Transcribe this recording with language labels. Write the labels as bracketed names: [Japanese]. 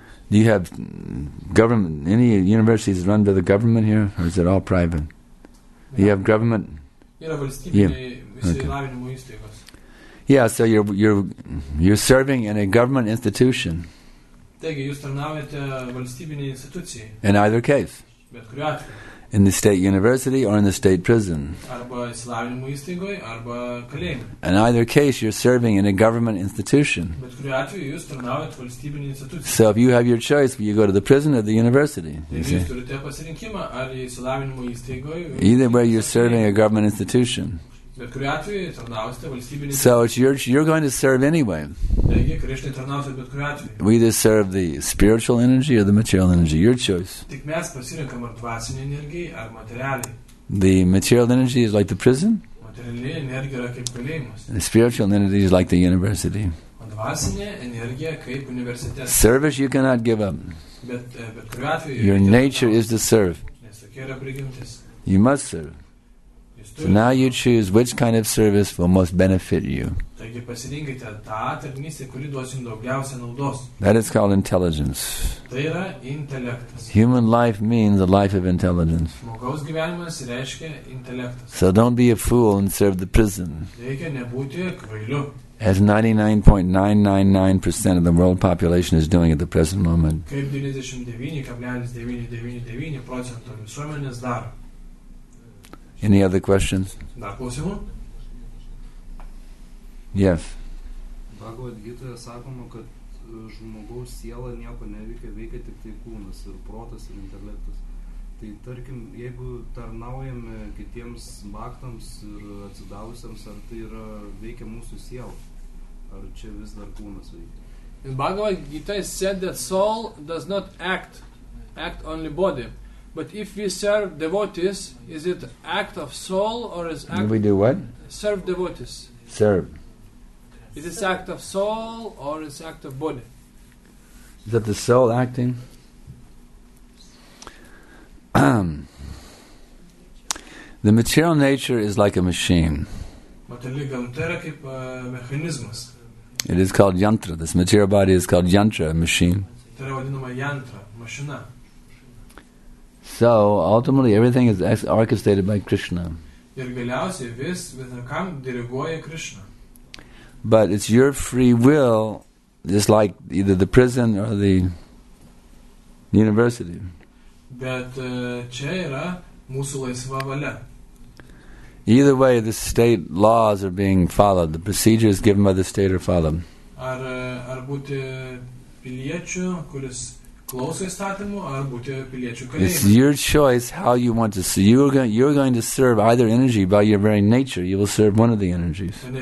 [English] Do you have government, any universities run by the government here, or is it all private? Do you have government? [Lithuanian] Yra valstybiniai išsilavinimo įstaigos. [English] Yeah, so you're serving in a government institution. [Lithuanian] Taigi, jūs tarnaujate valstybinėje institucijai. [English] In either case. [Lithuanian] Bet kuriuo atveju. [English] In the state university or in the state prison. [Lithuanian] Arba išsilavinimo įstaigoje, arba kalėjime. [English] In either case, you're serving in a government institution. [Lithuanian] Bet kuriuo atveju, jūs tarnaujate valstybinėje institucijai. [English] So if you have your choice, you go to the prison or the university. [Lithuanian] Jūs turite pasirinkimą, ar išsilavinimo įstaigoje. [English] Either way, you're serving a government institution. [Lithuanian] Bet kuriuo atveju, tarnaujate valstybinėje institucijai. [English] So it's you're going to serve anyway. [Lithuanian] Taigi, Krishna tarnausite bet kuriuo atveju. [English] We either serve the spiritual energy or the material energy. Your choice. [Lithuanian] Tik mes pasirinkam ar dvasinį energiją, ar materialį. [English] The material energy is like the prison. [Lithuanian] Materialinė energija yra kaip kalėjimas. [English] The spiritual energy is like the university. [Lithuanian] O dvasinė energija kaip universitetas. [English] Service you cannot give up. [Lithuanian] Bet kuriuo atveju. [English] Your nature is to serve. [Lithuanian] Nes tokia yra prigimtis. [English] You must serve. So now you choose which kind of service will most benefit you. [Lithuanian] Taigi pasirinkite tą tarnystę, kuri duos jums daugiausia naudos. [English] That is called intelligence. [Lithuanian] Tai yra intelektas. [English] Human life means a life of intelligence. [Lithuanian] Žmogaus gyvenimas reiškia intelektas. [English] So don't be a fool and serve the prison. [Lithuanian] Reikia nebūti kvailiu. [English] As 99.999% of the world population is doing at the present moment. [Lithuanian] Kaip 99.999% visuomenės daro. [English] Any other questions? Yes. [Lithuanian] Bhagavad Gita sakoma, kad žmogaus siela nieko neveikia, veikia tik tai kūnas ir protas ir intelektas. Tai tarkim, jeigu tarnaujame kitiems baktams ir atsidavusiams, ar tai yra veikia mūsų siela? Ar čia vis dar kūnas veikia? [English] In Bhagavad Gita is said that soul does not act only body. But if we serve devotees, is it act of soul or is act? We do what? Serve devotees. Serve. Is it act of soul or is act of body? Is that the soul acting? The material nature is like a machine. [Lithuanian] Materiali gamta yra kaip mechanizmas. [English] It is called yantra. This material body is called yantra, machine. [Lithuanian] Tai yra vadinama yantra, mašina. [English] So ultimately everything is orchestrated by Krishna. [Lithuanian] Ir galiausiai vis kam diriguoja Krishna. [English] But it's your free will, just like either the prison or the university. [Lithuanian] Bet čia yra mūsų laisva valia. [English] Either way the state laws are being followed, the procedures given by the state are followed. [Lithuanian] Ar būti piliečiu, kuris klauso įstatymų ar būti piliečių kalėjimą. [English] It's your choice how you want to serve. You're going to serve either energy by your very nature. You will serve one of the energies.